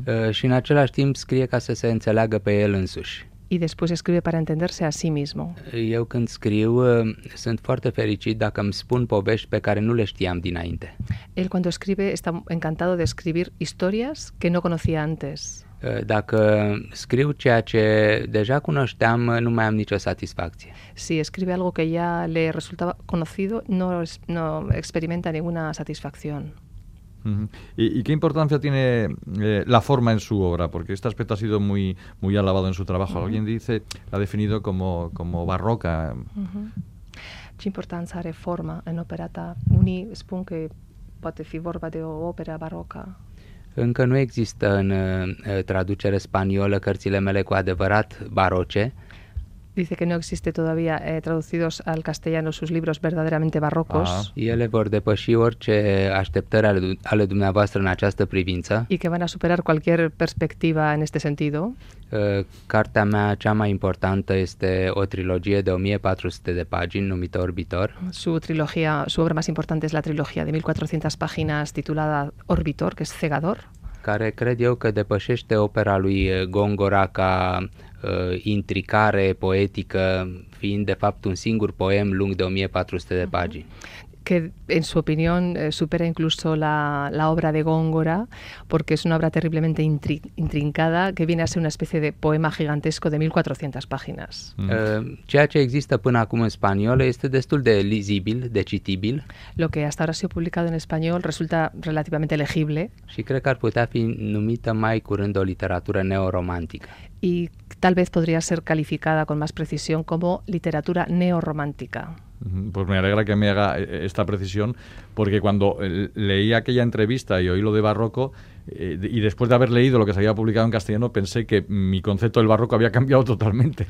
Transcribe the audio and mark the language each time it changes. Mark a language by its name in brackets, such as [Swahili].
[Romanian] Și în același timp scrie ca să se înțeleagă pe el însuși. [Spanish] Y después escribe para entenderse a sí mismo. [Romanian] Eu când scriu, sunt foarte fericit dacă îmi spun povești pe care nu le știam dinainte. [Spanish] Él cuando escribe está encantado de escribir historias que no conocía antes. [Romanian] Dacă scriu ceea ce deja cunoșteam, nu mai am nicio satisfacție. [Spanish] Si escribe algo que ya le resultaba conocido, no experimenta ninguna satisfacción. ¿Y qué importancia tiene la forma en su obra? Porque este aspecto ha sido muy, muy alabado en su trabajo. Uh-huh. Alguien dice, la ha definido como barroca. ¿Qué importancia tiene forma en ópera ta? [Romanian] Unii spun que poate fi vorba de o opera barroca. Încă nu există în traducere spaniolă cărțile mele cu adevărat baroce. [Spanish] Dice que no existe todavía traducidos al castellano sus libros verdaderamente barrocos. [Romanian] Ele vor depăși orice așteptări ale dumneavoastră în această privință. [Spanish] Y que van a superar cualquier perspectiva en este sentido. [Romanian] Cartea mea cea mai importantă este o trilogie de 1400 de pagini numită Orbitor. [Spanish] Su obra más importante es la trilogía de 1400 páginas titulada Orbitor, que es cegador. [Romanian] Care cred eu că depășește opera lui Góngora ca intricare poetică, fiind de fapt un singur poem lung de 1400 de pagini. [Spanish] Que en su opinión supera incluso la obra de Góngora, porque es una obra terriblemente intrincada, que viene a ser una especie de poema gigantesco de 1400 páginas. [Romanian] Ceea ce există până acum în spaniolă este destul de lizibil, de citibil. [Spanish] Lo que hasta ahora ha sido publicado en español resulta relativamente legible. [Romanian] Și cred că ar putea fi numită mai curând o literatură neoromantică. [Spanish] Y tal vez podría ser calificada con más precisión como literatura neoromántica. Pues me alegra que me haga esta precisión, porque cuando leí aquella entrevista y oí lo de barroco, y después de haber leído lo que se había publicado en castellano, pensé que mi concepto del barroco había cambiado totalmente.